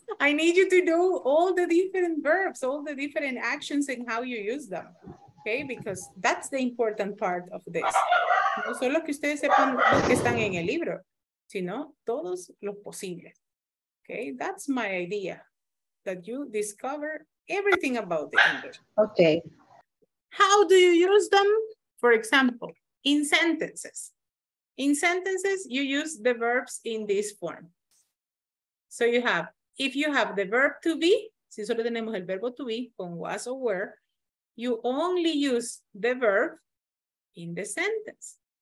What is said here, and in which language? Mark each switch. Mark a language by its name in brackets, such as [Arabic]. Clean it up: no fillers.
[English] I need you to know all the different verbs, all the different actions and how you use them. Okay, because that's the important part of this. [Spanish] No solo que ustedes sepan lo que están en el libro, sino todos los posibles. [English] Okay, that's my idea, that you discover everything about the English. Okay. How do you use them? For example, in sentences. In sentences, you use the verbs in this form. So you have, if you have the verb to be, [Spanish] si solo tenemos el verbo to be, [English] con was or were, you only use the verb in the sentence.